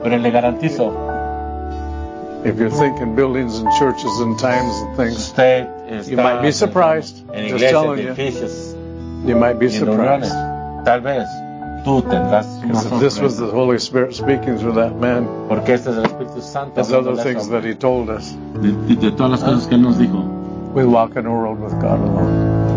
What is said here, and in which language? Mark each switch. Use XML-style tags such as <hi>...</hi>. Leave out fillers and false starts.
<es>Pero le garantizo.</es> <en>If you're thinking buildings and churches and times and things, you might be surprised. Just telling</en> <es>edificios.</es> <en>You. You might be surprised.</en> <es>Tal vez. Tú tendrás una sorpresa.</es> <en>This was the Holy Spirit speaking through that man.</en> <es>Porque este es el Espíritu Santo.</es> <en>There's other things that he told us.</en> <es>De todas las cosas que él nos dijo.</es> <en>We walk in a world with God alone.</en>